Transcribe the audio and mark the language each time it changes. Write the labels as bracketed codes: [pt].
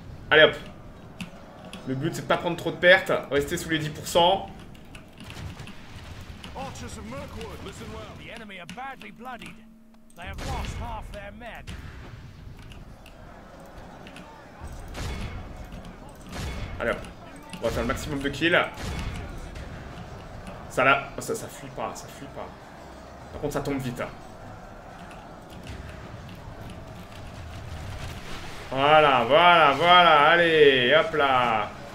[fr] Allez, hop. Le but, c'est de pas prendre trop de pertes, rester sous les 10%. [en] Archers of Mirkwood, listen well. The enemy are badly bloodied. They have lost half their men. [fr] Alors, on va faire le maximum de kills. Ça là, ça fuit pas, ça fuit pas. Par contre, ça tombe vite. Voilà, voilà, voilà, allez, hop là.